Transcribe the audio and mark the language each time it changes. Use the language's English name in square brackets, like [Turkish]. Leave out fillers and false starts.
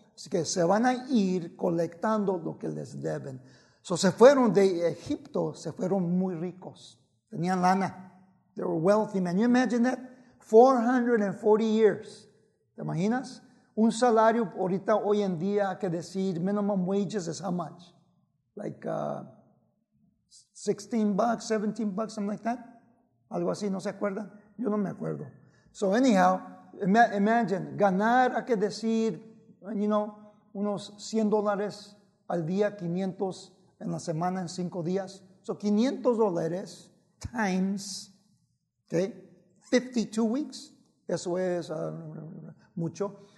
[Spanish] Así que se van a ir colectando lo que les deben. So se fueron de Egipto, se fueron muy ricos. Tenían lana. [English] They were wealthy men. You imagine that? 440 years. [Spanish] ¿Te imaginas? Un salario ahorita hoy en día que decir [English] minimum wages is how much? Like $16, $17, something like that. [Spanish] Algo así, ¿no se acuerdan? Yo no me acuerdo. [English] So anyhow, imagine, [Spanish] ganar a que decir, [English] you know, [Spanish] unos $100 al día, 500 en la semana, en 5 días. [English] So $500 times, okay, 52 weeks, [Spanish] eso es mucho.